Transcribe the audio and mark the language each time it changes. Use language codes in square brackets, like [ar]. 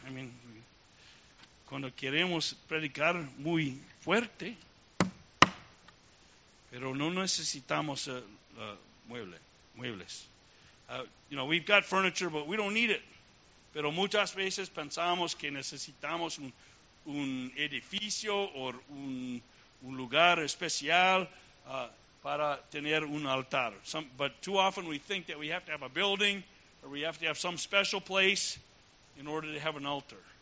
[en] I mean, [es] cuando queremos predicar muy fuerte, pero no necesitamos muebles. [en] You know, we've got furniture, but we don't need it. [es] Pero muchas veces pensamos que necesitamos un edificio o un lugar especial para tener un altar. [en] But too often we think that we have to have a building or we have to have some special place in order to have an altar.